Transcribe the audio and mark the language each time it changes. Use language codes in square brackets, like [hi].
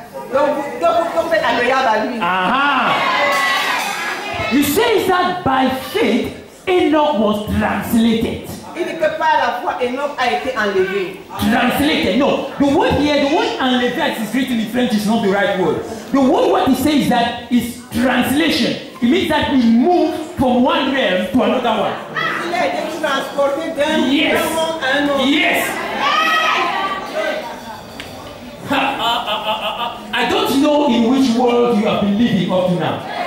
[en] You say that by faith, Enoch was translated. [fr] Il dit que par la foi, Enoch a été enlevé. [en] Translated? No. The word here, the word enlevé as is written in French is not the right word. The word what he says is that is translation. It means that he moved from one realm to another one. [fr] Il a été transporté d'un monde à un autre. [en] Yes. I don't know in which world you have been living up to now.